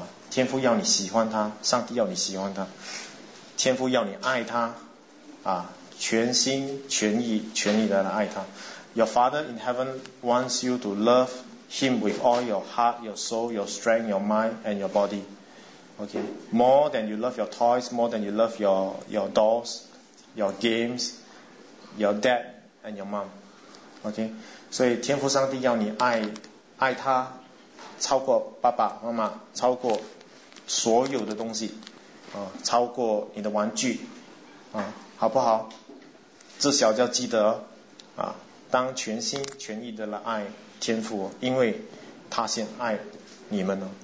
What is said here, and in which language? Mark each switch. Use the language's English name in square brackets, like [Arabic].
[Chinese] 天父要你喜欢他，上帝要你喜欢他。天父要你爱他。全心全意全意的来爱他。 [English] Your Father in heaven wants you to love him with all your heart, your soul, your strength, your mind, and your body. Okay. More than you love your toys, more than you love your dolls, your games, your dad, and your mom. Okay. [Chinese] 所以天父上帝要你爱他超过爸爸妈妈，超过所有的东西，超过你的玩具，好不好？至少要记得当全心全意的来爱天父，因为他先爱你们了。